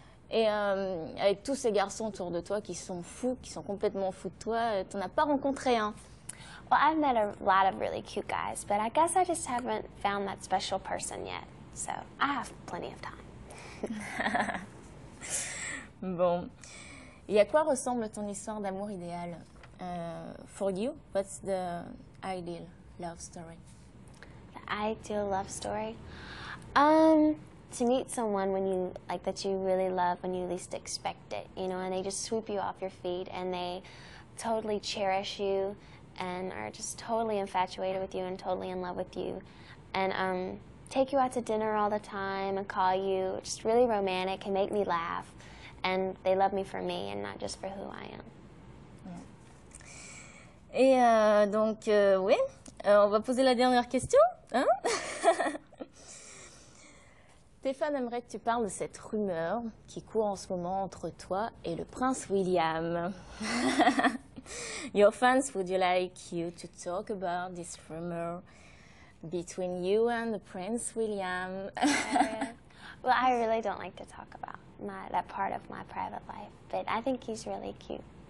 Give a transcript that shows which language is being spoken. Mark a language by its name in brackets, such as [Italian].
[French] Et avec tous ces garçons autour de toi qui sont fous, qui sont complètement fous de toi, t'en as pas rencontré un? [English] Well, I've met a lot of really cute guys, but I guess I just haven't found that special person yet. So, I have plenty of time. [French] Bon. Et à quoi ressemble ton histoire d'amour idéal? [English] For you, what's the ideal love story? The ideal love story? To meet someone when you, like, that you really love when you least expect it, you know, and they just sweep you off your feet and they totally cherish you and are just totally infatuated with you and totally in love with you. And take you out to dinner all the time and call you, just really romantic and make me laugh. And they love me for me and not just for who I am. [French] Et donc, oui, on va poser la dernière question. Hein? Stéphane, aimerait que tu parles de cette rumeur qui court en ce moment entre toi et le prince William. [English] Your fans, would you like you to talk about this rumor between you and the prince William? Well, I really don't like to talk about my, that part of my private life, but I think he's really cute.